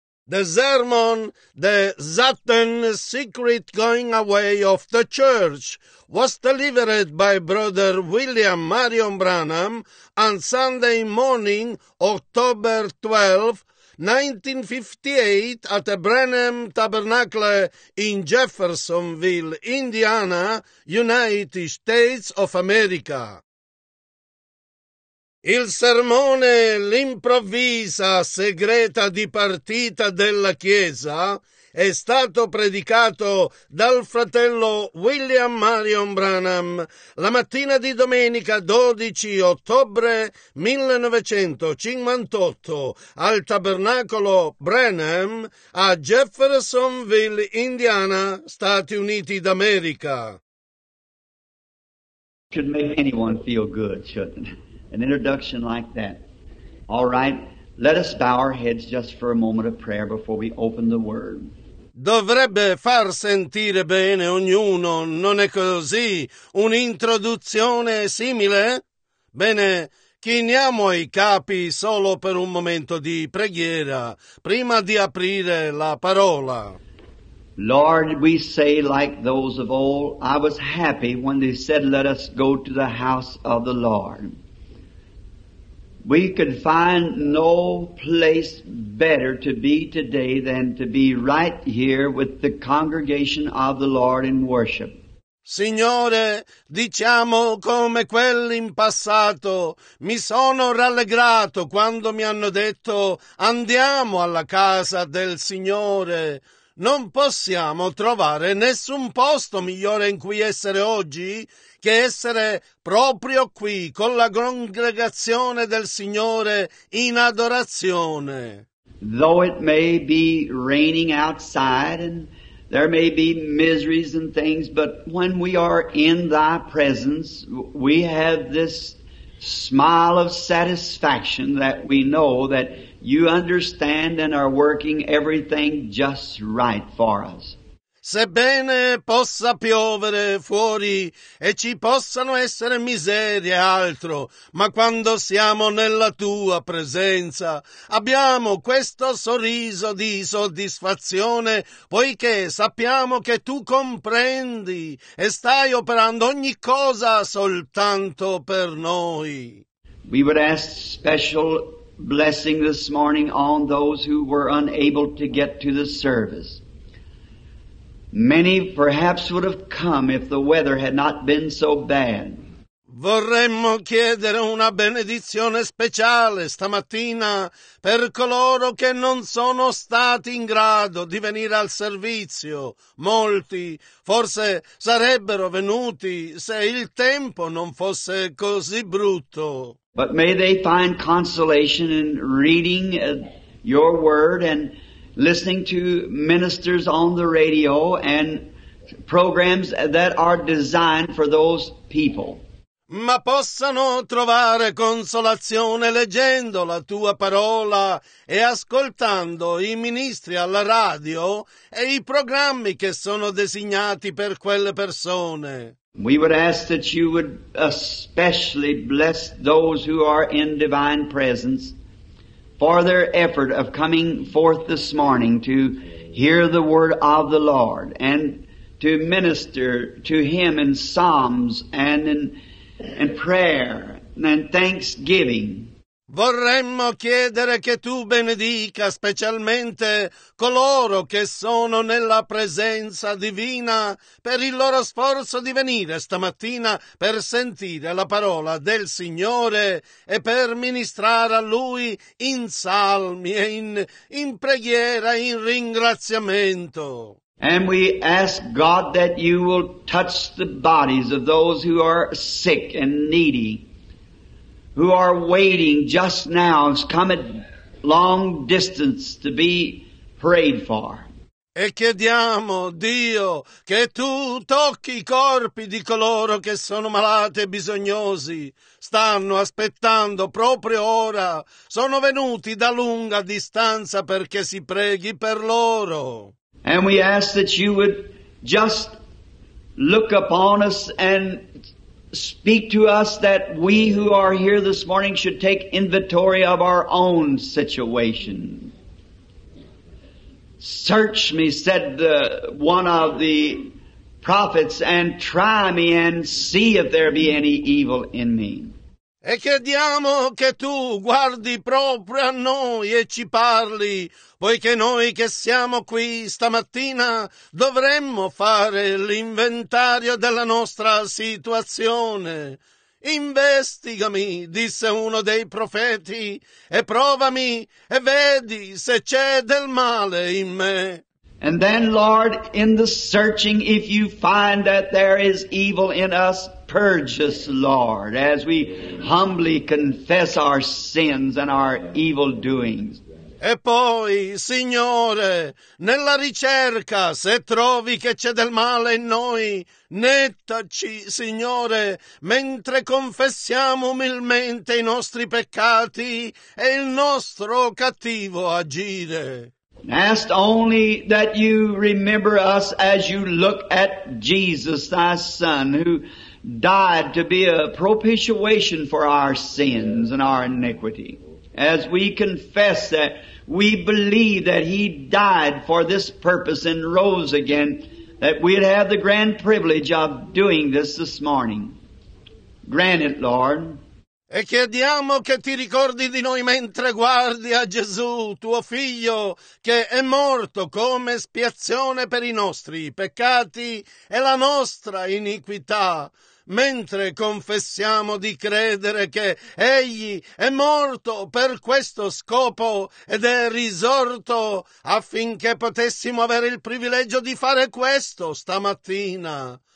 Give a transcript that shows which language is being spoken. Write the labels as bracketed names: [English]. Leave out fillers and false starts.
[English] the sermon, the Satan secret going away of the church, was delivered by Brother William Marion Branham on Sunday morning, October 12, 1958, at the Branham Tabernacle in Jeffersonville, Indiana, United States of America. [Italian] Il sermone, l'improvvisa segreta dipartita della Chiesa, è stato predicato dal fratello William Marion Branham la mattina di domenica 12 ottobre 1958 al Tabernacolo Branham a Jeffersonville, Indiana, Stati Uniti d'America. [English] Should make anyone feel good, shouldn't it? An introduction like that. All right, let us bow our heads just for a moment of prayer before we open the Word. [Italian] Dovrebbe far sentire bene ognuno, non è così? Un'introduzione simile? Bene, chiniamo i capi solo per un momento di preghiera, prima di aprire la parola. [English] Lord, we say like those of old, I was happy when they said, let us go to the house of the Lord. We could find no place better to be today than to be right here with the congregation of the Lord in worship. [Italian] Signore, diciamo come quelli in passato, mi sono rallegrato quando mi hanno detto andiamo alla casa del Signore. Non possiamo trovare nessun posto migliore in cui essere oggi che essere proprio qui con la congregazione del Signore in adorazione. [English] Though it may be raining outside and there may be miseries and things, but when we are in thy presence, we have this smile of satisfaction that we know that you understand and are working everything just right for us. [Italian] Sebbene possa piovere fuori e ci possano essere miserie e altro, ma quando siamo nella tua presenza abbiamo questo sorriso di soddisfazione, poiché sappiamo che tu comprendi e stai operando ogni cosa soltanto per noi. [English] We would ask special blessing this morning on those who were unable to get to the service. Many perhaps would have come if the weather had not been so bad. [Italian] Vorremmo chiedere una benedizione speciale stamattina per coloro che non sono stati in grado di venire al servizio. Molti forse sarebbero venuti se il tempo non fosse così brutto. [English] But may they find consolation in reading your word and listening to ministers on the radio and programs that are designed for those people. [Italian] Ma possano trovare consolazione leggendo la tua parola e ascoltando i ministri alla radio e i programmi che sono designati per quelle persone. [English] We would ask that you would especially bless those who are in divine presence for their effort of coming forth this morning to hear the word of the Lord and to minister to him in psalms and in prayer and thanksgiving. [Italian] Vorremmo chiedere che tu benedica specialmente coloro che sono nella presenza divina per il loro sforzo di venire stamattina per sentire la parola del Signore e per ministrare a Lui in salmi e in preghiera, in ringraziamento. [English] And we ask God that you will touch the bodies of those who are sick and needy, who are waiting just now, has come at long distance to be prayed for. [Italian] E chiediamo, Dio, che tu tocchi i corpi di coloro che sono malati e bisognosi. Stanno aspettando proprio ora. Sono venuti da lunga distanza perché si preghi per loro. [English] And we ask that you would just look upon us and speak to us that we who are here this morning should take inventory of our own situation. Search me, said one of the prophets, and try me and see if there be any evil in me. [Italian] E chiediamo che tu guardi proprio a noi e ci parli, poiché noi che siamo qui stamattina dovremmo fare l'inventario della nostra situazione. Investigami, disse uno dei profeti, e provami e vedi se c'è del male in me. [English] And then, Lord, in the searching, if you find that there is evil in us, purge us, Lord, as we humbly confess our sins and our evil doings. [Italian] E poi, Signore, nella ricerca, se trovi che c'è del male in noi, nettaci, Signore, mentre confessiamo umilmente i nostri peccati e il nostro cattivo agire. [English] Ask only that you remember us as you look at Jesus, thy Son, who died to be a propitiation for our sins and our iniquity. As we confess that, we believe that he died for this purpose and rose again, that we'd have the grand privilege of doing this morning. Grant it, Lord. [Italian] E chiediamo che ti ricordi di noi mentre guardi a Gesù, tuo figlio, che è morto come espiazione per i nostri peccati e la nostra iniquità, mentre confessiamo di credere che egli è morto per questo scopo ed è risorto affinché potessimo avere il privilegio di fare questo stamattina.